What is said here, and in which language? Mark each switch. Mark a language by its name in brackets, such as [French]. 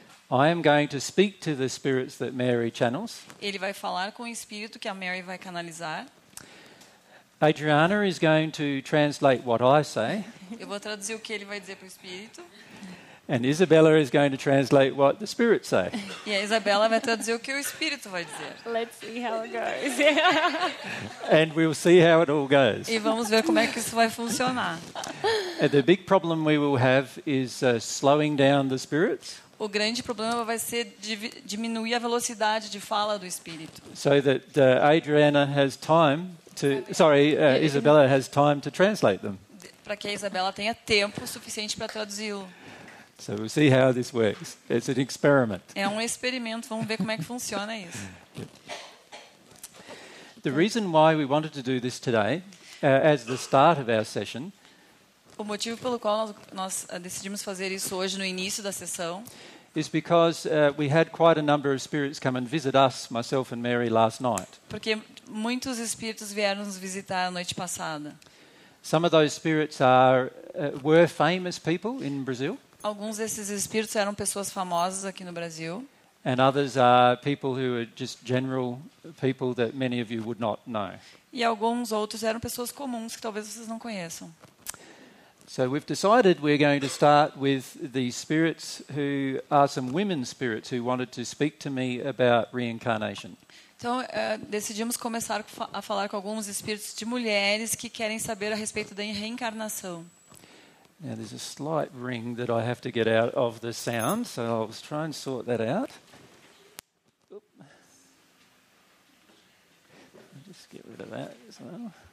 [English] I am going to speak to the spirits that Mary channels. [Portuguese] Ele vai falar com o espírito que a Mary vai canalizar. [English] Adriana is going to translate what I say. [Portuguese] Eu vou traduzir o que ele vai dizer para o espírito. [English] And Isabella is going to translate what the spirit say. [Portuguese] E a Isabella vai traduzir o que o espírito vai dizer. [English] Let's see how it goes. And we'll see how it all goes. [Portuguese] E vamos ver como é que isso vai funcionar. [English] And the big problem we will have is slowing down the spirits. [Portuguese] O grande problema vai ser diminuir a velocidade de fala do espírito. [English] So that Adriana has time. Isabella has time to translate them. [Portuguese] Para que a Isabella tenha tempo suficiente para traduzi-lo. [English] So we'll see how this works. It's an experiment. [Portuguese] É um experimento. Vamos ver como é que funciona isso. [English] The reason why we wanted to do this today, as the start of our session. [Portuguese] O motivo pelo qual nós decidimos fazer isso hoje no início da sessão. [English] Is because we had quite a number of spirits come and visit us, myself and Mary, last night. [Portuguese] Porque muitos espíritos vieram nos visitar a noite passada. [English] Some of those spirits were famous people in Brazil. [Portuguese] Alguns desses espíritos eram pessoas famosas aqui no Brasil. [English] And others are people who are just general people that many of you would not know. [Portuguese] E alguns outros eram pessoas comuns que talvez vocês não conheçam. [English] So we've decided we're going to start with the spirits who are some women spirits who wanted to speak to me about reincarnation. [Portuguese] Então, decidimos começar a falar com alguns espíritos de mulheres que querem saber a respeito da reencarnação. [English] Now there's a slight ring that I have to get out of the sound, so I was trying to sort that out. I'll just get rid of that as well.